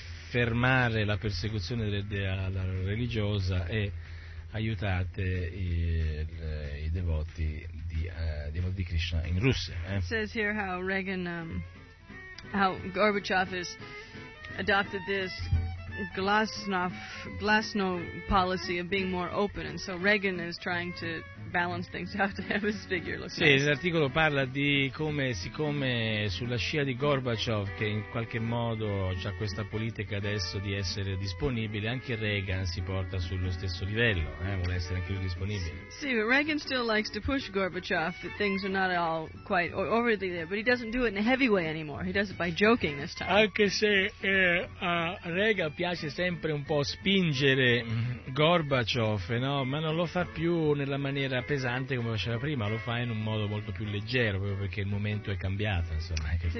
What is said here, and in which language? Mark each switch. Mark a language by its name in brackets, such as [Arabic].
[Italian] fermare la persecuzione della religiosa e aiutate i devoti di Krishna in Russia. [English] It says here how Reagan, how Gorbachev has adopted this glasnost policy of being more open, and so Reagan is trying to balance things out to have his figure look nice. [Italian] Sì, l'articolo parla di come, siccome sulla scia di Gorbaciov, che in qualche modo ha questa politica adesso di essere disponibile, anche Reagan si porta sullo stesso livello, vuole essere anche più disponibile. [English] Sì, but Reagan still likes to push Gorbachev that things are not all quite overly there, but he doesn't do it in a heavy way anymore, he does it by joking this time. [Italian] Anche se a Reagan piace sempre un po' spingere Gorbaciov, no? Ma non lo fa più nella maniera pesante come faceva prima, lo fa in un modo molto più leggero, proprio perché il momento è cambiato, insomma.